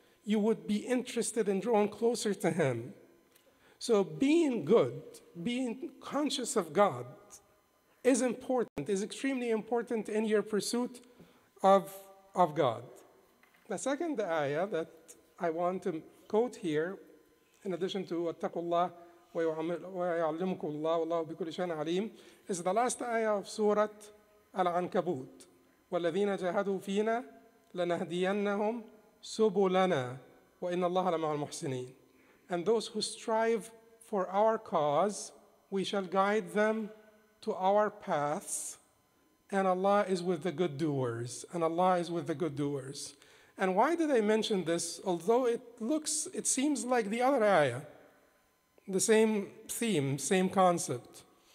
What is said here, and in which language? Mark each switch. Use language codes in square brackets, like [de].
[en] You would be interested in drawing closer to him. So being good, being conscious of God, is important, is extremely important in your pursuit of God. The second ayah that I want to quote here, in addition to [ar] اتقوا الله ويعلمكم الله والله بكل شيء عليم, [en] is the last ayah of Surah Al-Ankabut. [ar] والذين جاهدوا فينا لنهدينهم سبلنا وإن الله لمع المحسنين. [en] And those who strive for our cause, we shall guide them to our paths, and Allah is with the good doers. And Allah is with the good doers. And why did I mention this? Although it seems like the other ayah, the same theme, same concept.